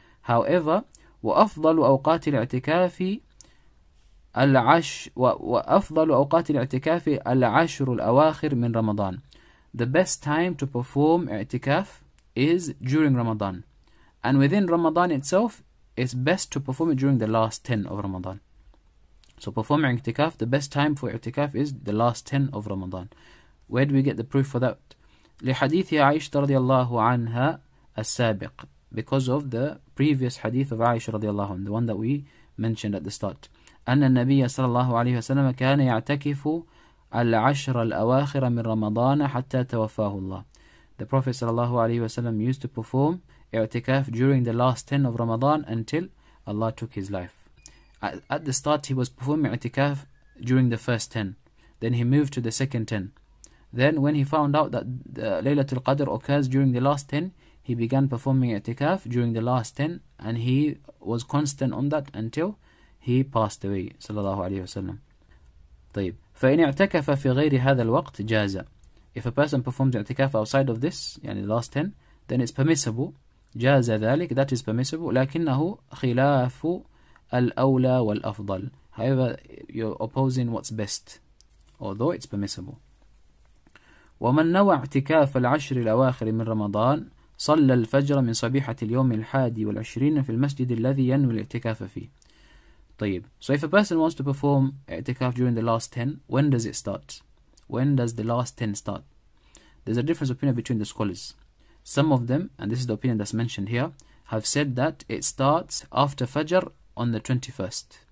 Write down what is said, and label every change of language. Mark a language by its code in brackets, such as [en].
[en] However, [ar] وَأَفْضَلُ أَوْقَاتِ الْاِعْتِكَافِ وَأَفْضَلُ أَوْقَاتِ الْاِعْتِكَافِ الْعَشْرُ الْأَوَاخِرُ مِنْ رَمَضَانِ. [en] The best time to perform i'tikaf is during Ramadan. And within Ramadan itself, it's best to perform it during the last 10 of Ramadan. So performing i'tikaf, the best time for i'tikaf is the last 10 of Ramadan. Where do we get the proof for that? [ar] لحديث عائشة رضي الله عنها السابق. [en] Because of the previous hadith of Aisha radiallahu anha, the one that we mentioned at the start. [ar] أن النبي صلى الله عليه وسلم كان يعتكف العشر الأواخر من رمضان حتى توفاه الله. [en] The Prophet [ar] صلى الله عليه وسلم [en] used to perform i'tikaf during the last 10 of Ramadan until Allah took his life. At the start, he was performing i'tikaf during the first 10. Then he moved to the second 10. Then when he found out that Laylatul Qadr occurs during the last 10, he began performing i'tikaf during the last 10, and he was constant on that until he passed away, sallallahu alayhi wa sallam. [ar] طيب. فَإِنْ اِعْتَكَفَ فِي غَيْرِ هَذَا الْوَقْتِ جَازَ. [en] If a person performs i'tikaf outside of this, yani the last 10, then it's permissible. [ar] جَازَ ذَلِكَ, [en] that is permissible. [ar] لَكِنَّهُ خِلَافُ الْأَوْلَى وَالْأَفْضَلِ. [en] However, you're opposing what's best, although it's permissible. [ar] وَمَنْ نَوَى اِعْتِكَافَ الْعَشْرِ الْأَوَاخِرِ مِنْ رَمَضَانِ صلى الفجر من صبيحة اليوم الحادي والعشرين في المسجد الذي ينوي الاعتكاف فيه. طيب. [en] So if a person wants to perform i'tikaf during the last 10, when does it start? When does the last 10 start? There's a difference of opinion between the scholars. Some of them, and this is the opinion that's mentioned here, have said that it starts after Fajr on the 21st.